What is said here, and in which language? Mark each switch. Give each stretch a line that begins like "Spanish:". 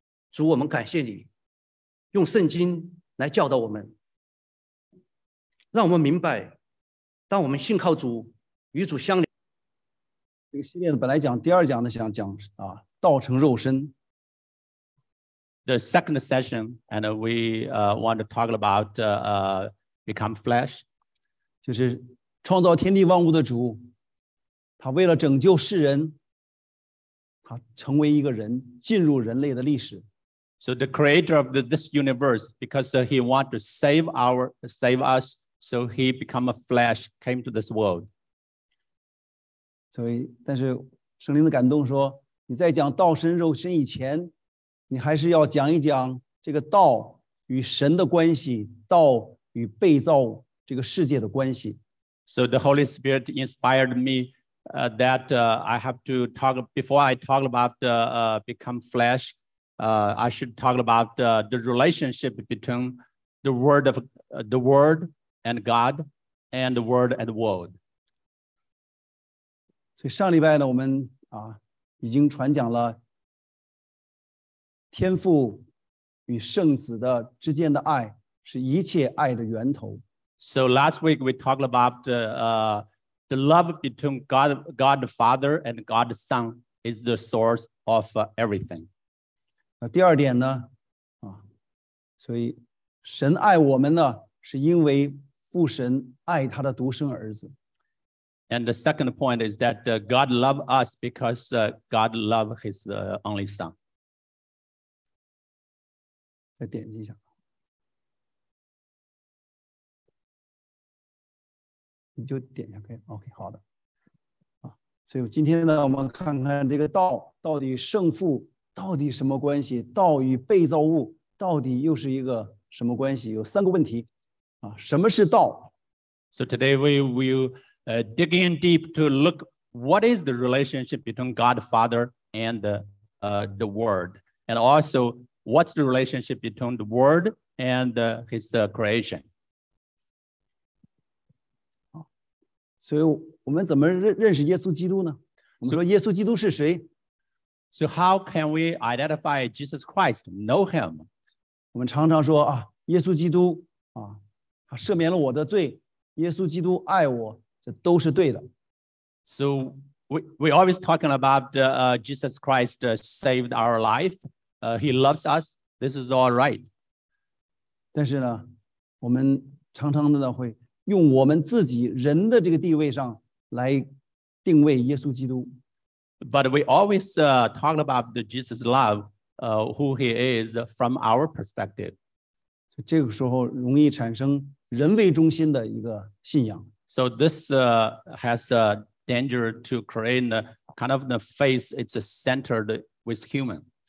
Chinese: 主，我们感谢你用圣经来教导我们，让我们明白，当我们信靠主，与主相连。这个系列本来讲第二讲的想讲啊，道成肉身。
English: The second session, and we want to talk about become flesh.
Chinese: 就是创造天地万物的主，他为了拯救世人，他成为一个人，进入人类的历史。
English: So the creator of this universe, because he wants to save us, so he become a flesh, came to this world.
Chinese: 所以，但是圣灵的感动说，你在讲道成肉身以前，你还是要讲一讲这个道与神的关系，道与被造这个世界的关系。
English: So the Holy Spirit inspired me I have to talk before I talk about become flesh. I should talk about the relationship between the word and God and the word and the world.
Chinese: 所以上礼拜呢，我们啊已经传讲了天父与圣子的之间的爱是一切爱的源头。
English: So last week we talked about the love between God the Father and God the Son is the source of everything.
Chinese: 第二点呢，所以神爱我们呢，是因为父神爱他的独生儿子。
English: And the second point is that God loves us because God loves His only Son.
Chinese: 再点击一下，你就点一下，可以 ？OK， 好的。所以今天呢，我们看看这个道到底圣父。到底什么关系？道与被造物到底又是一个什么关系？有三个问题，什么是道
English: ？So today we will dig in deep to look what is the relationship between God the Father and the Word, and also what's the relationship between the Word and His creation.
Chinese: 所以我们怎么认识耶稣基督呢？我们说耶稣基督是谁？
English: So how can we identify Jesus Christ, know him?
Chinese: 我们常常说啊，耶稣基督啊，他赦免了我的罪，耶稣基督爱我，这都是对的。
English: So we always talking about Jesus Christ saved our life, he loves us, this is all right.
Chinese: 但是呢，我们常常的呢，会用我们自己人的这个地位上来定位耶稣基督。
English: But we always talk about the Jesus' love, who he is from our perspective.
Chinese: 所以这个时候容易产生人为中心的一个信仰。
English: So this has a danger to create a kind of the faith. It's centered with human.